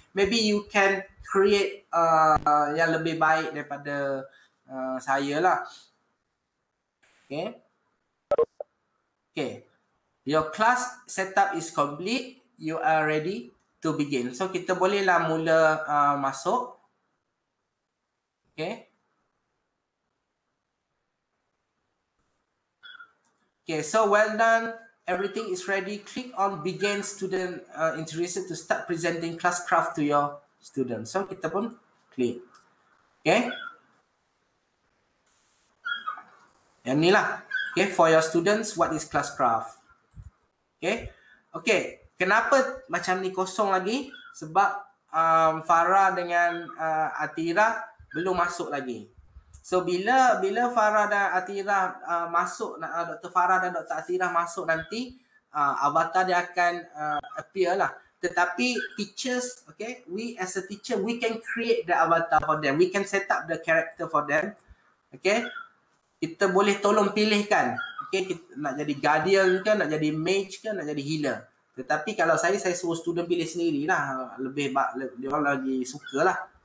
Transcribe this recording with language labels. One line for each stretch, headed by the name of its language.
English: Maybe you can create
Malay: yang lebih baik daripada saya lah. Okay. Okay.
English: Your class setup is complete. You are ready to begin.
Malay: So kita bolehlah mula masuk.
English: Okay. Okay, so well done. Everything is ready. Click on begin student interested to start presenting ClassCraft to your students.
Malay: So kita pun click. Okay. Yang ni lah.
English: Okay, for your students, what is ClassCraft?
Malay: Okay. Okay. Kenapa macam ni kosong lagi? Sebab Farah dengan Atira belum masuk lagi. So bila Farah dan Atira masuk, Dr. Farah dan Dr. Atira masuk nanti, avatar dia akan appear lah. Tetapi
English: teachers, okay, we as a teacher, we can create the avatar for them. We can set up the character for them.
Malay: Okay, kita boleh tolong pilihkan. Okay, kita nak jadi guardian ke, nak jadi mage ke, nak jadi healer. Tetapi kalau saya suruh student pilih sendiri lah. Lebih baik, dia orang lagi suka lah.